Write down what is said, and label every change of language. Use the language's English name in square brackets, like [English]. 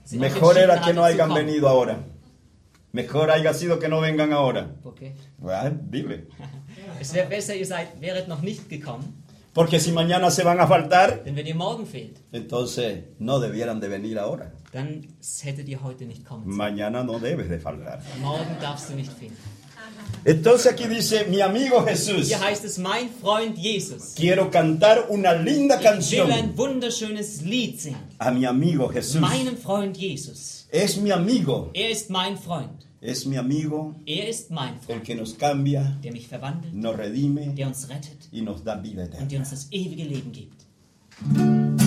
[Spanish] mejor era que no hayan venido ahora. Mejor haya sido que no vengan ahora. ¿Por qué? Well, dile. [German] Es wäre besser, ihr seid, wäret noch nicht gekommen. [Spanish] Porque si mañana se van a faltar. [German] Denn wenn ihr morgen fehlt. [Spanish] Entonces, no debieran de venir ahora. [German] Dann hättet ihr heute nicht kommen. [Spanish] Mañana no debes de faltar. [German] Morgen darfst du nicht fehlen. [Spanish] Entonces aquí dice, mi amigo Jesús. [German] Hier heißt es, mein Freund Jesus. [Spanish] Quiero cantar una linda canción. [German] Ich will ein wunderschönes Lied singen. [Spanish] A mi amigo Jesús. [German] Meinem Freund Jesus. [Spanish] Es mi amigo. [German] Er ist mein Freund. [Spanish] Es mi amigo. [German] Er ist mein Freund. [Spanish] El que nos cambia. [German] Der mich verwandelt. [Spanish] Nos redime. [German] Der uns rettet. [Spanish] Y nos da vida eterna. [German] Und der uns das ewige Leben gibt.